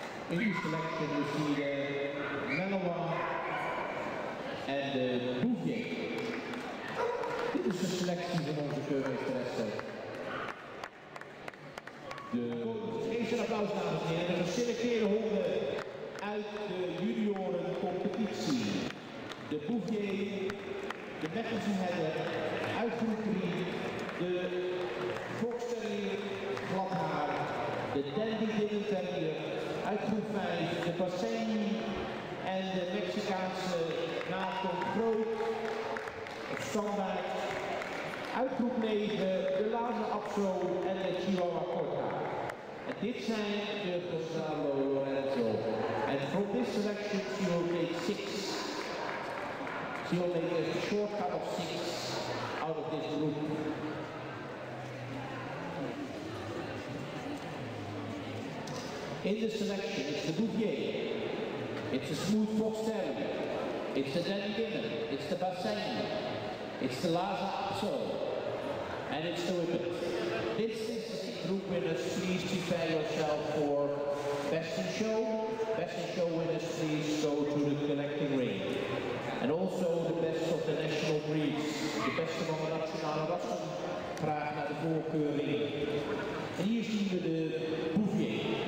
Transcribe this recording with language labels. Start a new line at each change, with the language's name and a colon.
English: in die selection is needed Manoa and Bouvier.
Dutch: Dit is de selectie van onze keurmeesteresse. De eerste applaus, dames en heren, de geselecteerde honden uit de juniorencompetitie. De Bouvier, de Mechelse Herder, uit groep 3, de Fox Terrier Gladhaar, de Dandy Dillon Terrier, uit groep 5, de Passeni en de Mexicaanse Nato Groot, op standaard. Uit groep 9, de Laza Abso en de Chihuahua Corta. En dit zijn de Gonzalo Lorenzo.
English: En from this selection, she will take 6. She will make a shortcut of 6 out of this group. In the selection, it's the Bouvier. It's the Smooth Fox Terrier. It's the Danny Dinner. It's the Bassani. It's the Laza Abso. And it's the Whippet. This is the group winners. Please prepare yourself for Best in Show. Best in Show winners, please go to the collecting ring. And also the best of the national breeds. The best of the
Dutch: nationale rassen. Graag naar de voorkeuring. En hier zien we de Bouvier.